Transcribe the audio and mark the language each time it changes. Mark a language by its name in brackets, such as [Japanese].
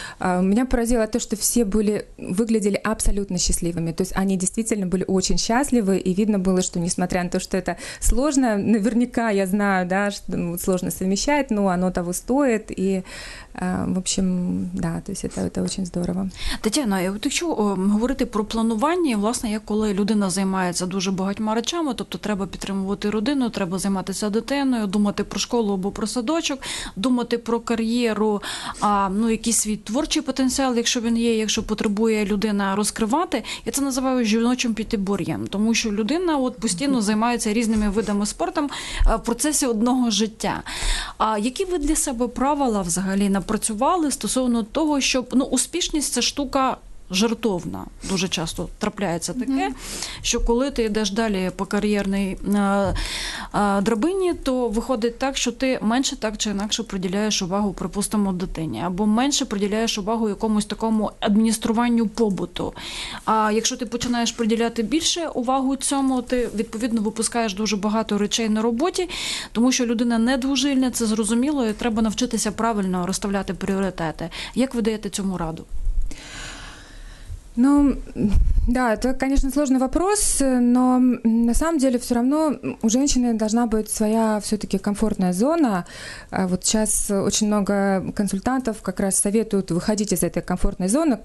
[Russian] Меня поразило то, что все выглядели абсолютно счастливыми. То есть они действительно были очень счастливы, и видно было, что несмотря на то, что это сложно, наверняка я знаю, да, что сложно совмещать, но оно того стоит, и в общем, да, то есть это очень здорово. [Ukrainian] Тетяна, я хочу говорити про планування, власне, як коли людина займається дуже багатьма речами, тобто треба підтримувати родину, треба займатися дитиною, думати про школу або про садочок, думати про кар'єру, ну, якийсь свій творчий потенціал, якщо він є, якщо потребує людина розкривати. Я це називаю жіночим п'ятибор'єм, тому що людина от постійно займається різними видами спорту в процесі одного життя. А які ви для себе правила взагалі напрацювали стосовно того, щоб, ну, успішність – це штука жертовна, дуже часто трапляється таке, що коли ти йдеш далі по кар'єрній драбині, то виходить так, що ти менше так чи інакше приділяєш увагу, припустимо, дитині, або менше приділяєш увагу якомусь такому адмініструванню побуту. А якщо ти починаєш приділяти більше увагу цьому, ти відповідно випускаєш дуже багато речей на роботі, тому що людина не двожильна, це зрозуміло, і треба навчитися правильно розставляти пріоритети. Як ви даєте цьому раду? [Russian] Ну, да, это, конечно, сложный вопрос, но на самом деле все равно у женщины должна быть своя все-таки комфортная зона. Вот сейчас очень много консультантов как раз советуют выходить из этой комфортной зоны.